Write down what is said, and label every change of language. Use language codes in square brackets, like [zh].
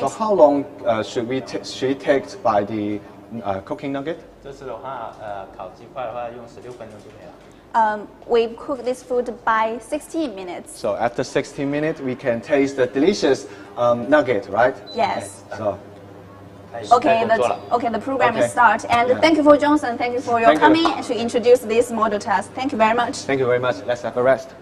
[en] So how long should we should it take by the cooking nugget? [zh] 这次的话，烤鸡块的话用16分钟就可以了。 [en] We cook this food by 16 minutes. So after 16 minutes, we can taste the delicious nugget, right? Yes. Okay, the program is start. Thank you for Johnson. Thank you for your coming to introduce this model to us. Thank you very much. Thank you very much. Let's have a rest.